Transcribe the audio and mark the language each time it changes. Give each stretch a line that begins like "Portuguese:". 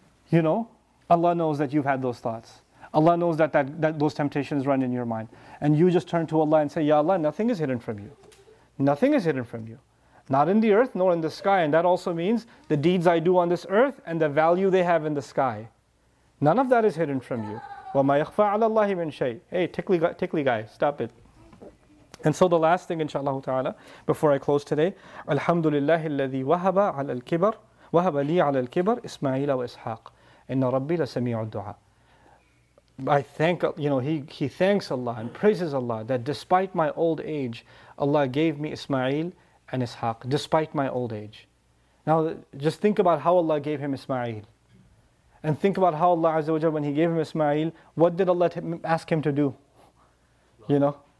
English: You know, Allah knows that you've had those thoughts. Allah knows that those temptations run in your mind. And you just turn to Allah and say, Ya Allah, nothing is hidden from you. Nothing is hidden from you. Not in the earth, nor in the sky. And that also means the deeds I do on this earth and the value they have in the sky. None of that is hidden from you.
Arabic: وَمَا يَخْفَى عَلَى اللَّهِ مِنْ شَيْءٍ.
English: Hey, tickly guy, stop it. And so the last thing, inshallah ta'ala, before I close today, Alhamdulillah
Arabic: الَّذِي وَهَبَ عَلَى الْكِبَرِ وَهَبَ لِي عَلَى الْكِبَرِ إِسْمَعِيلَ وَإِسْحَاقِ إِنَّ رَبِّي لَسَمِيعُ الدُّعَى.
English: I thank, you know, he thanks Allah and praises Allah that despite my old age, Allah gave me Ismail and Ishaq, despite my old age. Now, just think about how Allah gave him Ismail. And think about how Allah Azza wa Jalla, when he gave him Ismail, what did Allah ask him to do? You know?